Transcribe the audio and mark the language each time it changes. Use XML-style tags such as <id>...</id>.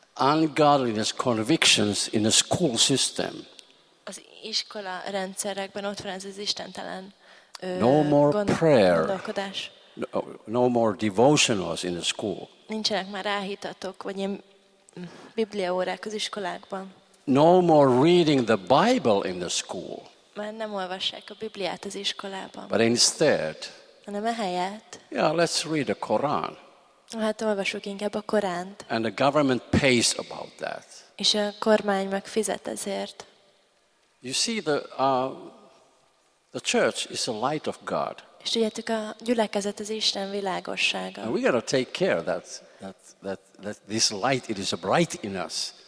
<en>Ungodliness convictions in the school system.</en> <hu>Az iskola rendszerekben ott van ez az istentelen</hu> <en>no more prayer.</en> <hu>Gondolkodás.</hu> <en>No more devotionals in the school.</en> <hu>Nincsenek már áhítatok, vagy ilyen bibliaórák az iskolákban.</hu> <en>No more reading the Bible in the school.</en> <hu>Már nem olvassák a Bibliát az iskolában.</hu> <en>But instead,</en> <hu>hanem ehelyett,</hu> <en>yeah, let's read the Koran.</en> <hu>Hát olvasok inkább a Koránt.</hu> <en>And the government pays about that.</en> <hu>És a kormány megfizet ezért.</hu> <en>You see, the church is a light of God.</en> <hu>És tudjátok, a gyülekezet az Isten világossága.</hu> <en>And we gotta take care that this light, it is bright in us.</en>